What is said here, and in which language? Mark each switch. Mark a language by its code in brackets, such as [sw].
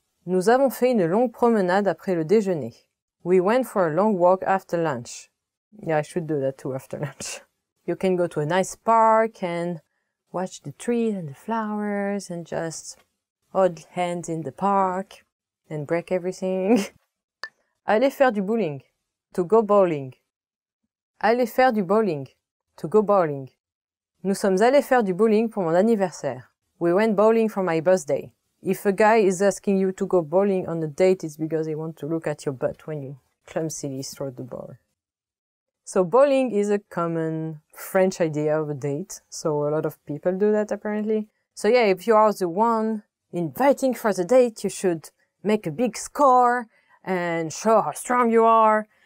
[fr] Nous avons fait une longue promenade après le déjeuner. [en] We went for a long walk after lunch. Yeah, I should do that too after lunch. You can go to a nice park and watch the trees and the flowers and just hold hands in the park and break everything. [fr] Aller faire du bowling, [en] to go bowling. [fr] Aller faire du bowling, to go bowling. Nous sommes allés faire du bowling pour mon anniversaire. [en] We went bowling for my birthday. If a guy is asking you to go bowling on a date, it's because he wants to look at your butt when you clumsily throw the ball. So bowling is a common French idea of a date. So a lot of people do that apparently. So yeah, if you are the one inviting for the date, you should make a big score and show how strong you are.